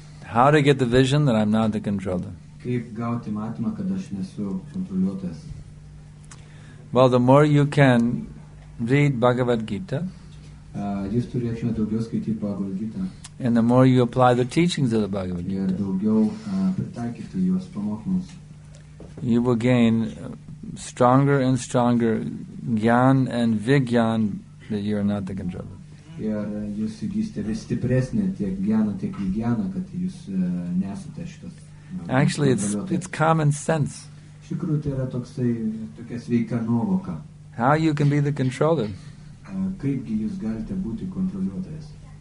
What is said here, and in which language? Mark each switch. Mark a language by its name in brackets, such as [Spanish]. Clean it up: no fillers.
[English] How to get the vision that I'm not the controller? [Lithuanian] Kaip gauti matymą, kad aš nesu kontroliuotojas? [English] Well, the more you can read Bhagavad Gita, [Lithuanian] jūs turėtume daugiau skaityti Bhagavad Gita, [English] and the more you apply the teachings of the Bhagavad Gita, [Lithuanian] ir daugiau pritaikyti jos pamokymus, [English] you will gain stronger and stronger gyan and vigyan that you are not the controller. [Lithuanian] Ir jūs įgysite vis stipresnį tiek gyaną, tiek vigyaną, kad jūs nesate šitas. [English] Actually, it's common sense. [Lithuanian] Iš tikrųjų, tai yra tokia sveika nuovoka. [English] How you can be the controller? [Lithuanian] Kaipgi jūs galite būti kontroliuotojas?